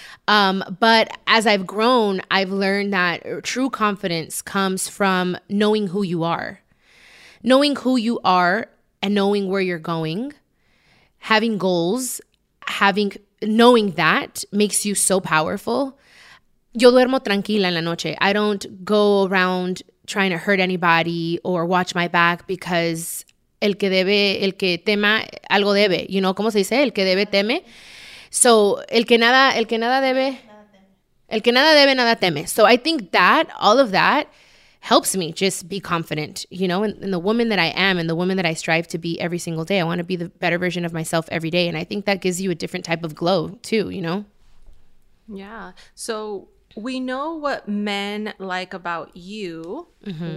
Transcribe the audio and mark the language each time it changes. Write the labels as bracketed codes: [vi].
[en] But as I've grown, I've learned that true confidence comes from knowing who you are. Knowing who you are and knowing where you're going, having goals, knowing that makes you so powerful. [es] Yo duermo tranquila en la noche. [en] I don't go around trying to hurt anybody or watch my back because [es] el que debe, el que tema, algo debe. [en] You know, [es] ¿cómo se dice? El que debe teme. So el que nada debe, nada teme. [en] So I think that, all of that helps me just be confident, you know, in the woman that I am and the woman that I strive to be every single day. I want to be the better version of myself every day. And I think that gives you a different type of glow too, you know? Yeah. So we know what men like about you. Mm-hmm.